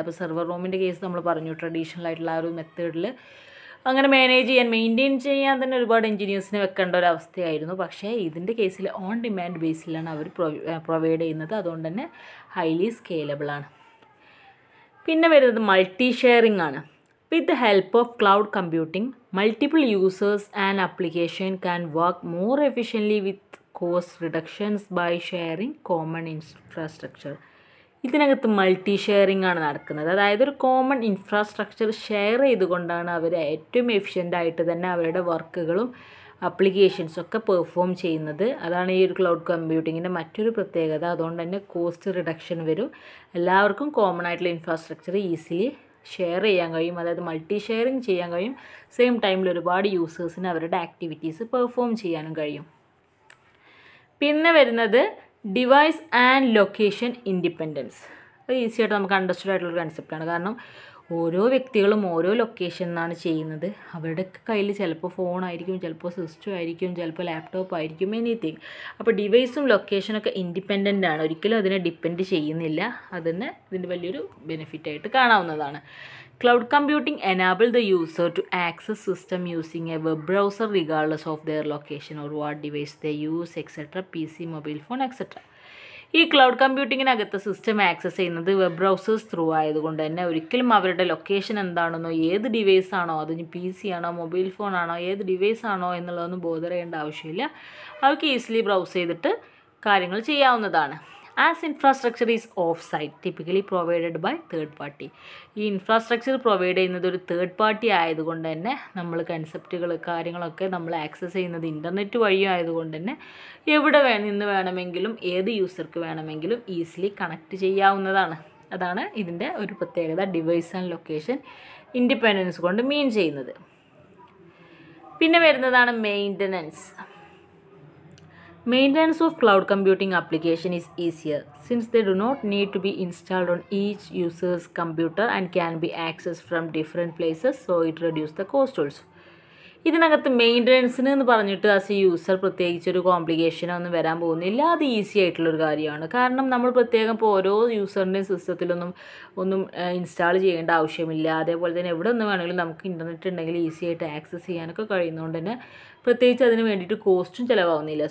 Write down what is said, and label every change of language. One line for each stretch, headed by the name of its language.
Malayalam: അപ്പോൾ സെർവർ റൂമിൻ്റെ കേസ് നമ്മൾ പറഞ്ഞു, ട്രഡീഷണൽ ആയിട്ടുള്ള ആ ഒരു മെത്തേഡിൽ അങ്ങനെ മാനേജ് ചെയ്യാൻ മെയിൻറ്റെയിൻ ചെയ്യാൻ തന്നെ ഒരുപാട് എഞ്ചിനീയേഴ്സിനെ വെക്കേണ്ട ഒരു അവസ്ഥയായിരുന്നു. പക്ഷേ ഇതിൻ്റെ കേസിൽ ഓൺ ഡിമാൻഡ് ബേസിലാണ് അവർ പ്രൊവൈഡ് ചെയ്യുന്നത്. അതുകൊണ്ട് തന്നെ ഹൈലി സ്കേലബിളാണ്. പിന്നെ വരുന്നത് മൾട്ടി ഷെയറിംഗ് ആണ്.
English: With the help of cloud computing, multiple users and applications can work more efficiently with cost reductions by sharing common infrastructure.
Malayalam: ഇതിനകത്ത് മൾട്ടി ഷെയറിംഗ് ആണ് നടക്കുന്നത്. അതായത് ഒരു കോമൺ ഇൻഫ്രാസ്ട്രക്ചർ ഷെയർ ചെയ്തുകൊണ്ടാണ് അവർ ഏറ്റവും എഫിഷ്യൻ്റ് ആയിട്ട് തന്നെ അവരുടെ വർക്കുകളും അപ്ലിക്കേഷൻസൊക്കെ പെർഫോം ചെയ്യുന്നത്. അതാണ് ഈ ഒരു ക്ലൗഡ് കമ്പ്യൂട്ടിങ്ങിൻ്റെ മറ്റൊരു പ്രത്യേകത. അതുകൊണ്ട് തന്നെ കോസ്റ്റ് റിഡക്ഷൻ വരും. എല്ലാവർക്കും കോമൺ ആയിട്ടുള്ള ഇൻഫ്രാസ്ട്രക്ചർ ഈസിലി ഷെയർ ചെയ്യാൻ കഴിയും. അതായത് മൾട്ടി ഷെയറിംഗ് ചെയ്യാൻ കഴിയും. സെയിം ടൈമിൽ ഒരുപാട് യൂസേഴ്സിന് അവരുടെ ആക്ടിവിറ്റീസ് പെർഫോം ചെയ്യാനും കഴിയും. പിന്നെ വരുന്നത് ഡിവൈസ് ആൻഡ് ലൊക്കേഷൻ ഇൻഡിപെൻഡൻസ്. അത് ഈസി ആയിട്ട് നമുക്ക് അണ്ടർസ്റ്റഡ് ആയിട്ടുള്ളൊരു കൺസെപ്റ്റാണ്. കാരണം ഓരോ വ്യക്തികളും ഓരോ ലൊക്കേഷനിന്നാണ് ചെയ്യുന്നത്. അവരുടെ കയ്യിൽ ചിലപ്പോൾ ഫോണായിരിക്കും, ചിലപ്പോൾ സിസ്റ്റം ആയിരിക്കും, ചിലപ്പോൾ ലാപ്ടോപ്പ് ആയിരിക്കും, എനിത്തിങ്. അപ്പോൾ ഡിവൈസും ലൊക്കേഷനൊക്കെ ഇൻഡിപെൻഡൻ്റ് ആണ്. ഒരിക്കലും അതിനെ ഡിപ്പെൻഡ് ചെയ്യുന്നില്ല. അതിനെ ഇതിൻ്റെ വലിയൊരു ബെനിഫിറ്റായിട്ട് കാണാവുന്നതാണ്.
English: Cloud computing enables the user to access system using a web browser regardless of their location or what device they use, etc. PC, mobile phone, etc.
Malayalam: ഈ ക്ലൗഡ് കമ്പ്യൂട്ടിങ്ങിനകത്ത് സിസ്റ്റം ആക്സസ് ചെയ്യുന്നത് വെബ് ബ്രൗസേഴ്സ് ത്രൂ ആയതുകൊണ്ട് തന്നെ ഒരിക്കലും അവരുടെ location എന്താണെന്നോ ഏത് device ആണോ, അത് പി സി ആണോ മൊബൈൽ ഫോണാണോ ഏത് ഡിവൈസ് ആണോ എന്നുള്ളതൊന്നും ബോധർ ചെയ്യേണ്ട ആവശ്യമില്ല. അവർക്ക് ഈസിലി ബ്രൗസ് ചെയ്തിട്ട് കാര്യങ്ങൾ ചെയ്യാവുന്നതാണ്.
English: As infrastructure is off site typically provided by third party.
Malayalam: ഈ ഇൻഫ്രാസ്ട്രക്ചർ പ്രൊവൈഡ് ചെയ്യുന്നത് ഒരു തേർഡ് പാർട്ടി ആയതുകൊണ്ട് തന്നെ നമ്മൾ കൺസെപ്റ്റുകൾ കാര്യങ്ങളൊക്കെ നമ്മൾ ആക്സസ് ചെയ്യുന്നത് ഇൻ്റർനെറ്റ് വഴിയും ആയതുകൊണ്ട് തന്നെ എവിടെ നിന്ന് വേണമെങ്കിലും ഏത് യൂസർക്ക് വേണമെങ്കിലും ഈസിലി കണക്ട് ചെയ്യാവുന്നതാണ്. അതാണ് ഇതിൻ്റെ ഒരു പ്രത്യേകത. ഡിവൈസ് ആൻഡ് ലൊക്കേഷൻ ഇൻഡിപെൻഡൻസ് കൊണ്ട് മീൻ ചെയ്യുന്നത്. പിന്നെ വരുന്നതാണ് maintenance.
English: Maintenance of cloud computing application is easier since they do not need to be installed on each user's computer and can be accessed from different places, so it reduces the cost also.
Malayalam: ഇതിനകത്ത് മെയിൻ്റനൻസിന് എന്ന് പറഞ്ഞിട്ട് as A user പ്രത്യേകിച്ചൊരു കോംപ്ലിക്കേഷനോ ഒന്നും വരാൻ പോകുന്നില്ല. അത് easy ആയിട്ടുള്ളൊരു കാര്യമാണ്. കാരണം നമ്മൾ പ്രത്യേകം ഇപ്പോൾ ഓരോ യൂസറിൻ്റെയും സിസ്റ്റത്തിലൊന്നും ഇൻസ്റ്റാൾ ചെയ്യേണ്ട ആവശ്യമില്ല. അതേപോലെ തന്നെ എവിടെ നിന്ന് വേണമെങ്കിലും നമുക്ക് ഇൻ്റർനെറ്റ് ഉണ്ടെങ്കിൽ ഈസി ആയിട്ട് ആക്സസ് ചെയ്യാനൊക്കെ കഴിയുന്നതുകൊണ്ട് തന്നെ പ്രത്യേകിച്ച് അതിന് വേണ്ടിയിട്ട് കോസ്റ്റും ചിലവാകുന്നില്ല.